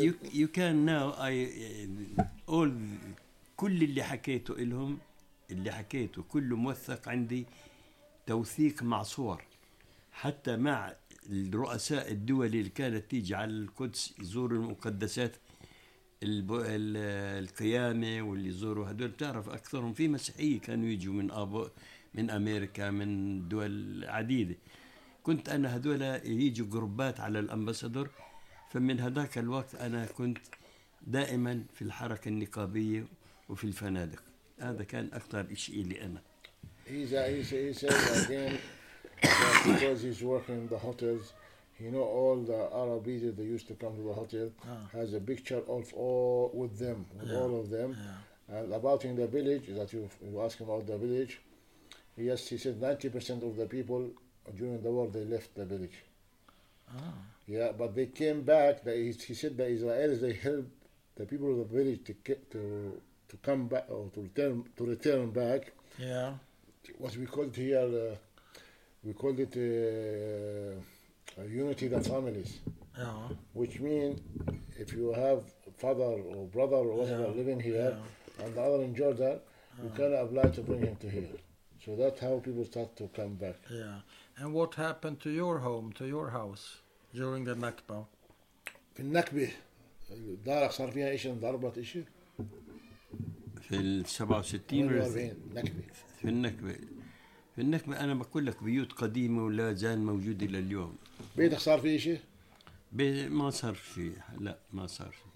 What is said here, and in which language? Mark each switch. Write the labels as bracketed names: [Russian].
[English] You can now I all [Arabic] كل اللي حكيته إلهم اللي حكيته كله موثق عندي توثيق مع صور حتى مع الرؤساء الدولي اللي كانت تيجي على القدس يزوروا المقدسات القيامة واللي يزوروا هدول تعرف أكثرهم في مسيحية كانوا يجوا من أمريكا من دول عديدة. كنت أنا هذولا يجي جروبات على الأمبسادور فمن هذاك الوقت أنا كنت دائما في الحركة النقابية وفي الفنادق هذا كان أكثر إشي لي أنا. [English] He said again that because he's working in the hotels, he know all the Arab visitors that used to come to the hotel has a picture of all with them with all of them and about in the village that you ask him about the village. Yes, he said 90% of the people. During the war, they left the village. Ah. Yeah, but they came back. He said the Israelis they helped the people of the village to come back or to return back. Yeah. What we called here, we called it a unity of the families. Yeah. Which means if you have father or brother or whatever living here, and the other in Jordan, you can apply to bring him to here. So that's how people start to come back. Yeah. And what happened to your home, to your house, during the Nakba? [Arabic] في النكبة دار صار فيها إيش ضربت إيش؟ في السبعة وستين. في النكبة أنا بقول لك بيوت قديمة ولا زال موجودة لليوم. بيتك صار فيه إيش؟ بيت ما صار فيه لا ما صار.